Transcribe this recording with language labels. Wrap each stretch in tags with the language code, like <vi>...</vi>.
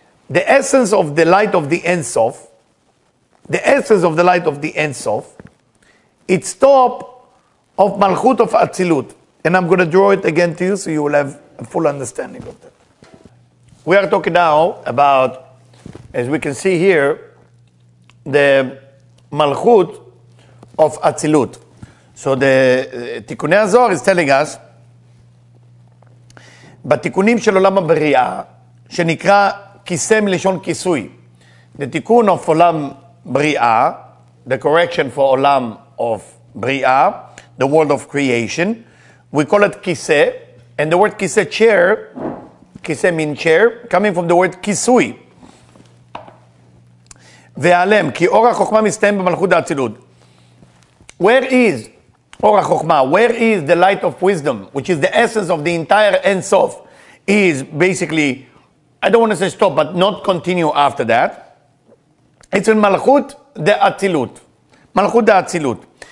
<en>The essence of the light of the Ein Sof, the essence of the light of the Ein Sof, it's top of Malchut of Atzilut. And I'm going to draw it again to you so you will have a full understanding of that. We are talking now about, as we can see here, the Malchut of Atzilut. So the Tikkuni HaZohar is telling us,</en> <he>בתיקונים של עולם הבריאה, שנקרא כיסא מלשון כיסוי.</he> <en>The תיקון of עולם בריאה, the correction for עולם of בריאה, the world of creation, we call it כיסא, and the word כיסא chair, כיסא mean chair, coming from the word כיסוי.</en> <he>ועלם, כי אור החוכמה מסתיים במלכות האצילות.</he> <en>Where is אור החוכמה? Where is the light of wisdom, which is the essence of the entire Ein Sof, is basically, I don't want to say stop, but not continue after that. It's in Malchut de Atzilut. Malchut de Atzilut.</en>